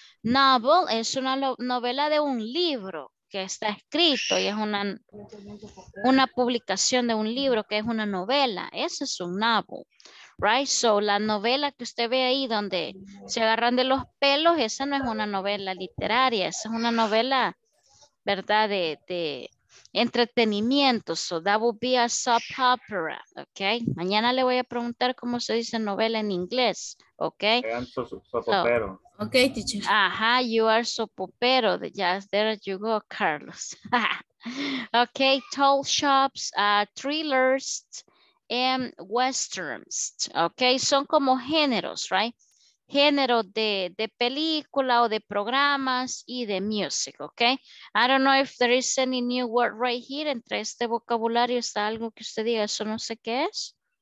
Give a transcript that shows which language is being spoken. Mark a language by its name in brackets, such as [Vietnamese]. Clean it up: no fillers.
[Spanish] Novel es una novela de un libro que está escrito y es una publicación de un libro que es una novela. Eso es un novel. Right, so la novela que usted ve ahí donde se agarran de los pelos, esa no es una novela literaria, esa es una novela, ¿verdad?, de entretenimiento. [English] So that would be a soap opera, ¿ok? [Spanish] Mañana le voy a preguntar cómo se dice novela en inglés, ¿ok? [English] Sopopero. So, ok, teacher. Ajá, you are sopopero. Yes, there you go, Carlos. Ok, tall shops, thrillers, and westerns, ok, [Spanish] son como géneros, right, género de película o de programas y de music, ok, [English] I don't know if there is any new word right here, [Spanish] entre este vocabulario está algo que usted diga, eso no sé qué es.